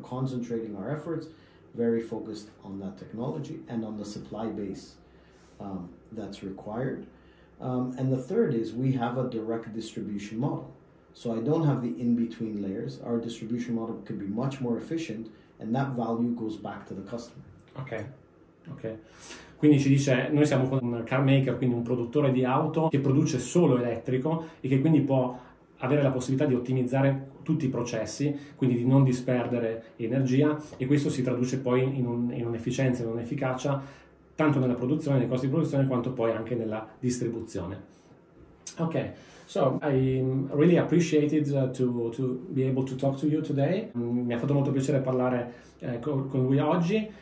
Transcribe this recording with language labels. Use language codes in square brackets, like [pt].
[en] We're concentrating our efforts, very focused on that technology and on the supply base that's required. And the third is, we have a direct distribution model. So I don't have the in-between layers. Our distribution model could be much more efficient, and that value goes back to the customer. Okay. Okay. [it] Quindi ci dice, noi siamo un car maker, quindi un produttore di auto che produce solo elettrico e che quindi può avere la possibilità di ottimizzare tutti i processi, quindi di non disperdere energia, e questo si traduce poi in un'efficienza, in un'efficacia, tanto nella produzione, nei costi di produzione, quanto poi anche nella distribuzione. Okay. [en] So I really appreciated to be able to talk to you today. [it] Mi ha fatto molto piacere parlare con lui oggi.